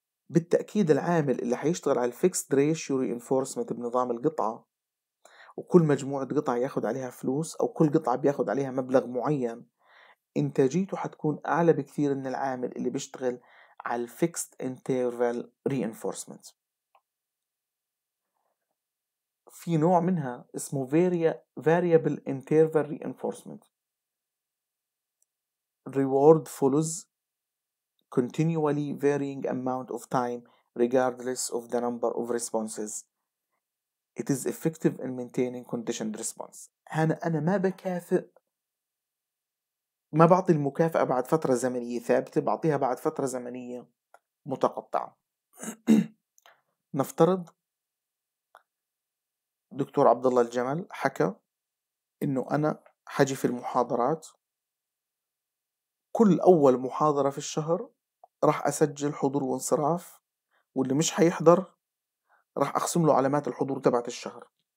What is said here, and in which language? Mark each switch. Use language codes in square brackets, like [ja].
[ar] بالتأكيد العامل اللي حيشتغل على الفيكسد ريشيو رينفورسمنت بنظام القطعة، وكل مجموعة قطع ياخد عليها فلوس أو كل قطعة بياخد عليها مبلغ معين، إنتاجيته حتكون أعلى بكثير من العامل اللي بيشتغل على الفيكسد انترفال رينفورسمنت. في نوع منها اسمه [en] variable interval reinforcement. Reward follows continually varying amount of time regardless of the number of responses. It is effective in maintaining conditioned response. [ar] أنا ما بكافئ، ما بعطي المكافأة بعد فترة زمنية ثابتة، بعطيها بعد فترة زمنية متقطعة. نفترض دكتور عبد الله الجمل حكى انه انا حجي في المحاضرات كل اول محاضرة في الشهر راح اسجل حضور وانصراف، واللي مش حيحضر راح اقسم له علامات الحضور تبعت الشهر.